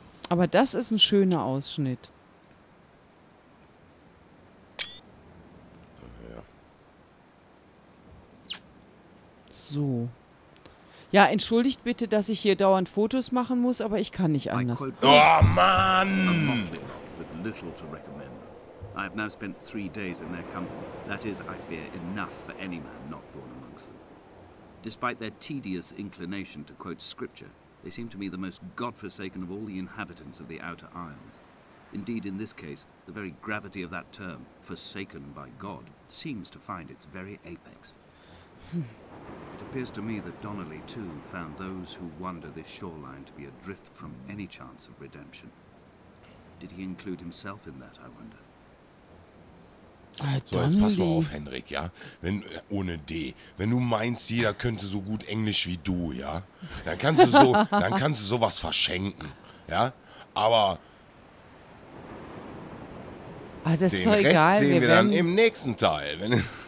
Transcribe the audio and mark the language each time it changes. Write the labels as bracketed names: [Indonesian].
[German] Aber das ist ein schöner Ausschnitt. So. Ja, entschuldigt bitte, dass ich hier dauernd Fotos machen muss, aber ich kann nicht anders. Oh, Mann! [English] With little to recommend. I have now spent 3 days in their company. That is, I fear, enough for any man not born amongst them. Despite their tedious inclination to quote scripture, they seem to me the most godforsaken of all the inhabitants of the Outer Isles. Indeed, in this case, the very gravity of that term, forsaken by God, seems to find its very apex. It appears to me that Donnelly, too, found those who wander this shoreline to be adrift from any chance of redemption. Did he include himself in that, I wonder? Donnelly. [German] So, jetzt pass mal auf, Henrik, ja? Wenn, ohne D. Wenn du meinst, jeder könnte so gut Englisch wie du, ja? Dann kannst du so, dann kannst du sowas verschenken, ja? Aber... Ah, das ist doch Rest egal. Sehen wir dann im nächsten Teil, wenn...